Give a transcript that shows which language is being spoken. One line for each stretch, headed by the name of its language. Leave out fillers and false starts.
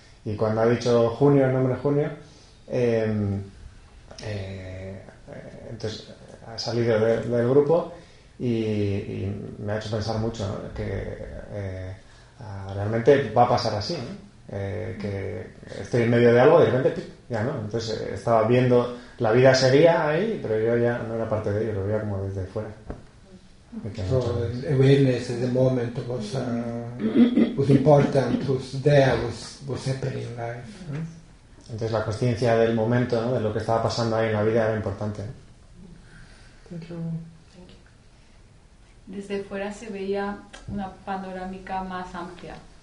Spanish: Y cuando ha dicho Junio, el nombre Junio, entonces ha salido del grupo y me ha hecho pensar mucho, ¿no? Que realmente va a pasar así, ¿no? Que estoy en medio de algo y de repente ya no. Entonces estaba viendo, la vida seguía ahí, pero yo ya no era parte de ello, lo veía como desde fuera.
English: So awareness at the moment was important, was there, was happening life.
Spanish: Entonces la consciencia del momento, ¿no? De lo que estaba pasando ahí en la vida era importante. Desde fuera se veía una panorámica más amplia.